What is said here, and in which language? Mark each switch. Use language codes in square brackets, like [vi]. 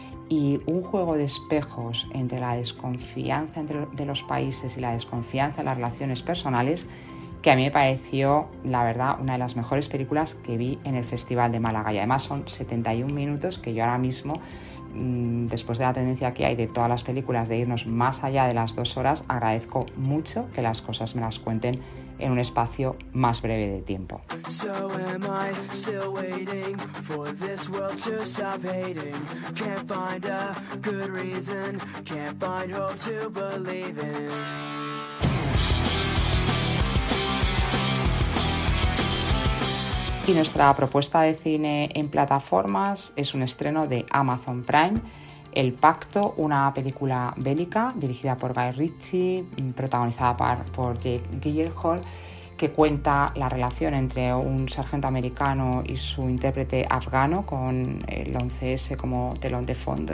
[es] y un juego de espejos entre la desconfianza de los países y la desconfianza en las relaciones personales, que a mí me pareció, la verdad, una de las mejores películas que vi en el Festival de Málaga. Y además son 71 minutos que yo ahora mismo, después de la tendencia que hay de todas las películas de irnos más allá de las 2 horas, agradezco mucho que las cosas me las cuenten en un espacio más breve de tiempo. [en] So am I still waiting for this world to stop hating? Can't find a good reason, can't find hope to believe in. [es] Y nuestra propuesta de cine en plataformas es un estreno de Amazon Prime, El Pacto, una película bélica dirigida por Guy Ritchie, protagonizada por Jake Gyllenhaal, que cuenta la relación entre un sargento americano y su intérprete afgano con el 11S como telón de fondo.